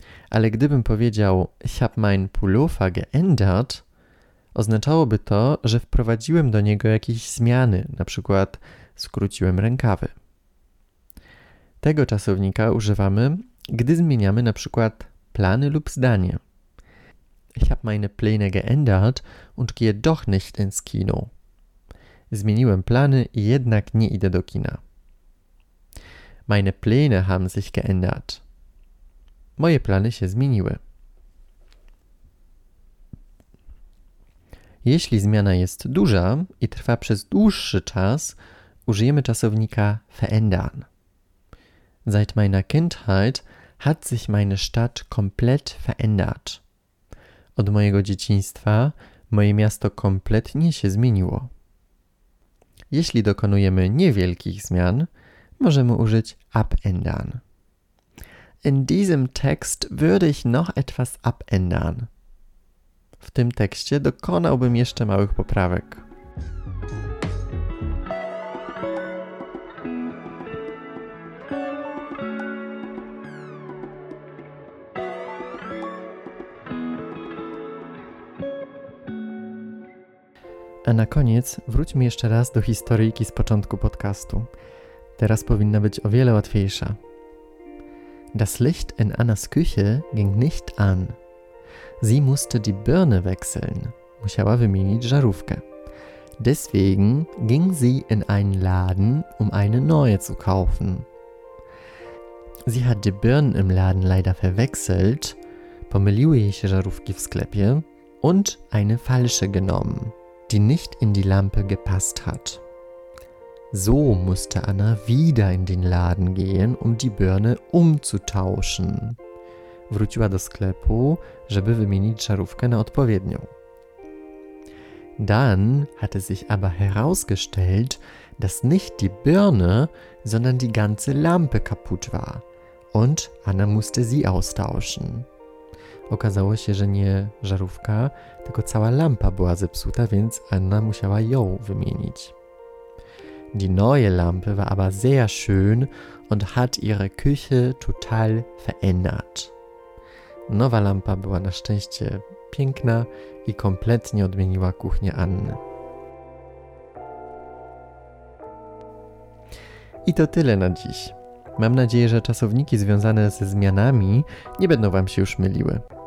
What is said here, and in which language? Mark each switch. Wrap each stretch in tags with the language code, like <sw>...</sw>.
<pl>Ale gdybym powiedział</pl> <de>ich habe mein Pullover geändert,</de> <pl>oznaczałoby to, że wprowadziłem do niego jakieś zmiany, na przykład skróciłem rękawy. Tego czasownika używamy, gdy zmieniamy na przykład plany lub zdanie.</pl> <de>Ich habe meine Pläne geändert und gehe doch nicht ins Kino.</de> <pl>Zmieniłem plany i jednak nie idę do kina.</pl> <de>Meine Pläne haben sich geändert.</de> <pl>Moje plany się zmieniły. Jeśli zmiana jest duża i trwa przez dłuższy czas, użyjemy czasownika verändern.</pl> <de>Seit meiner Kindheit hat sich meine Stadt komplett verändert.</de> <pl>Od mojego dzieciństwa moje miasto kompletnie się zmieniło. Jeśli dokonujemy niewielkich zmian, możemy użyć abändern.</pl> <de>In diesem Text würde ich noch etwas abändern.</de> <pl>W tym tekście dokonałbym jeszcze małych poprawek. na koniec wróćmy jeszcze raz do historyjki z początku podcastu. Teraz powinna być o wiele łatwiejsza.</pl> <de>Das Licht in Annas Küche ging nicht an. Sie musste die Birne wechseln.</de> <pl>Musiała wymienić żarówkę.</pl> <de>Deswegen ging sie in einen Laden, um eine neue zu kaufen. Sie hat die Birnen im Laden leider verwechselt,</de> <pl>pomyliły jej się żarówki w sklepie</pl> <de>und eine falsche genommen, die nicht in die Lampe gepasst hat. So musste Anna wieder in den Laden gehen, um die Birne umzutauschen.</de> <pl>Wróciła do sklepu, żeby wymienić żarówkę na odpowiednią.</pl> <de>Dann hatte sich aber herausgestellt, dass nicht die Birne, sondern die ganze Lampe kaputt war. Und Anna musste sie austauschen.</de> <pl>Okazało się, że nie żarówka, tylko cała lampa była zepsuta, więc Anna musiała ją wymienić.</pl> <de>Die neue Lampe war aber sehr schön und hat ihre Küche total verändert.</de> <pl>Nowa lampa była na szczęście piękna i kompletnie odmieniła kuchnię Anny. I to tyle na dziś. Mam nadzieję, że czasowniki związane ze zmianami nie będą Wam się już myliły.</pl>